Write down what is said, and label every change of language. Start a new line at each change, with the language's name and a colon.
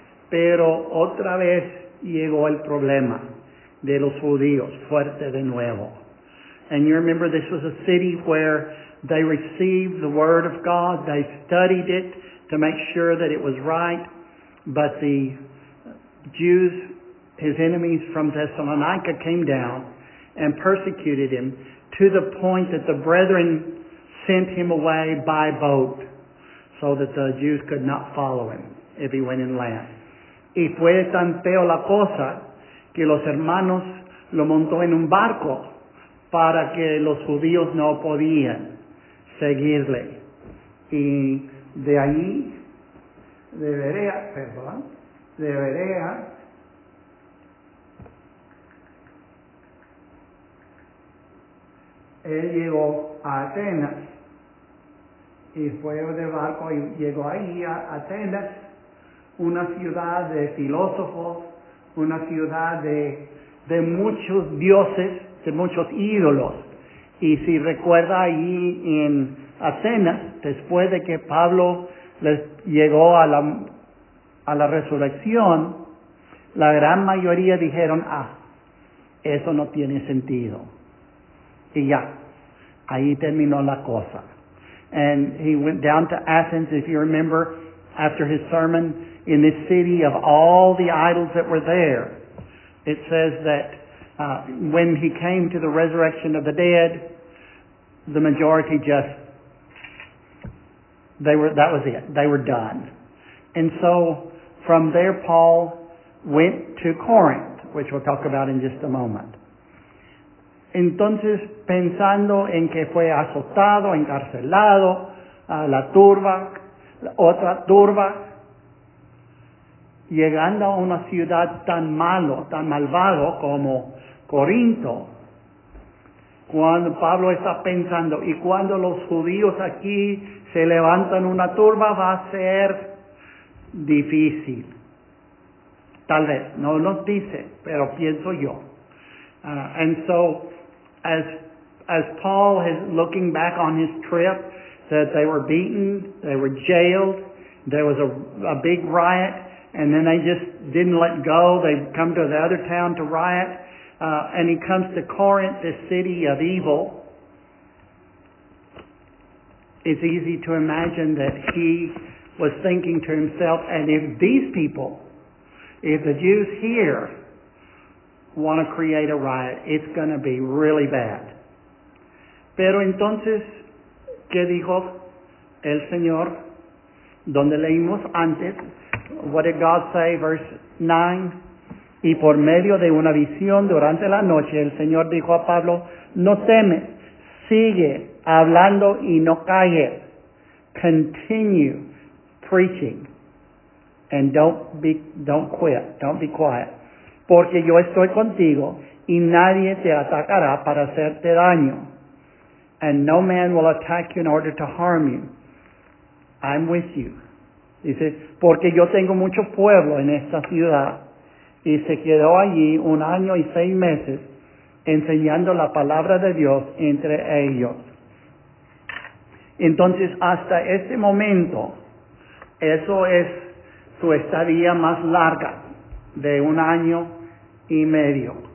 Spanish: Pero otra vez llegó el problema de los judíos, fuerte de nuevo.
English: And you remember this was a city where they received the word of God, they studied it to make sure that it was right, but the Jews, his enemies from Thessalonica, came down and persecuted him to the point that the brethren sent him away by boat so that the Jews could not follow him if he went inland.
Spanish: Y fue tan feo la cosa que los hermanos lo montó en un barco para que los judíos no podían seguirle. Y de ahí, de Berea, él llegó a Atenas y fue de barco y llegó ahí a Atenas, una ciudad de filósofos, una ciudad de muchos dioses, de muchos ídolos. Y si recuerda ahí en Atenas, después de que Pablo les llegó a la resurrección, la gran mayoría dijeron, eso no tiene sentido. Y ya. Ahí terminó la cosa.
English: And he went down to Athens, if you remember, after his sermon in this city of all the idols that were there. It says that when he came to the resurrection of the dead, the majority just, that was it. They were done. And so from there, Paul went to Corinth, which we'll talk about in just a moment.
Spanish: Entonces, pensando en que fue azotado, encarcelado, la otra turba, llegando a una ciudad tan malvado como Corinto, cuando Pablo está pensando, y cuando los judíos aquí se levantan una turba, va a ser difícil. Tal vez, no lo dice, pero pienso yo.
English: As Paul is looking back on his trip, that they were beaten, they were jailed, there was a big riot, and then they just didn't let go. They come to the other town to riot, and he comes to Corinth, this city of evil. It's easy to imagine that he was thinking to himself, and if these people, if the Jews here want to create a riot, it's going to be really bad.
Spanish: Pero entonces, ¿qué dijo el Señor? Donde leímos antes,
English: what did God say, verse 9?
Spanish: Y por medio de una visión durante la noche, el Señor dijo a Pablo, no temes, sigue hablando y no calles.
English: Continue preaching and don't quit, don't be quiet.
Spanish: Porque yo estoy contigo y nadie te atacará para hacerte daño.
English: And no man will attack you in order to harm you. I'm with you
Spanish: Dice, porque yo tengo mucho pueblo en esta ciudad. Y se quedó allí 1 año y 6 meses enseñando la palabra de Dios entre ellos. Entonces, hasta este momento, eso es su estadía más larga, de 1 año y medio.